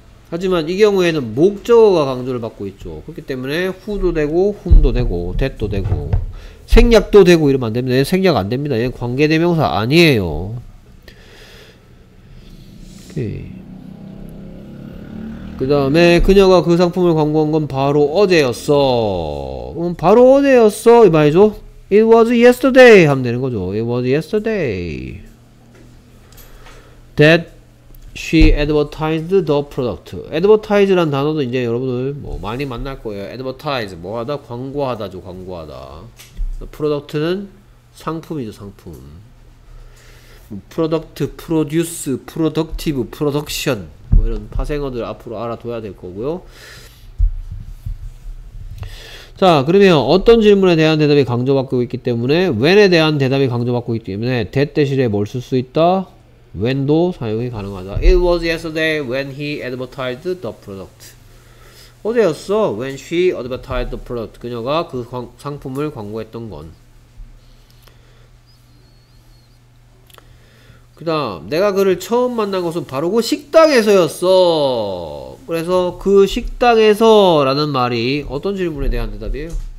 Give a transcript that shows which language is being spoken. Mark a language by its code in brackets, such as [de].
[ko] 하지만 이 경우에는 목적어가 강조를 받고 있죠. 그렇기 때문에 후도 되고 훔도 되고 that도 되고 생략도 되고 이러면 안 됩니다. 얘는 생략 안 됩니다. 얘는 관계대명사 아니에요. 그 다음에 그녀가 그 상품을 광고한 건 바로 어제였어. 바로 어제였어 이 말이죠. [en] It was yesterday [ko] 하면 되는 거죠. [en] It was yesterday that she advertised the product. [ko] Advertise란 단어도 이제 여러분들 뭐 많이 만날 거예요. Advertise 뭐하다? 광고하다죠. 광고하다. Product는 상품이죠. 상품. product, produce, productive, production 뭐 이런 파생어들 앞으로 알아둬야 될 거고요. 자 그러면 어떤 질문에 대한 대답이 강조받고 있기 때문에 when에 대한 대답이 강조받고 있기 때문에 that 대신에 뭘 쓸 수 있다? when도 사용이 가능하다. [en] It was yesterday when he advertised the product. [ko] 어제였어? [en] when she advertised the product. [ko] 그녀가 그 상품을 광고했던 건. 그 다음 내가 그를 처음 만난 것은 바로 그 식당에서였어. 그래서 그 식당에서 라는 말이 어떤 질문에 대한 대답이에요?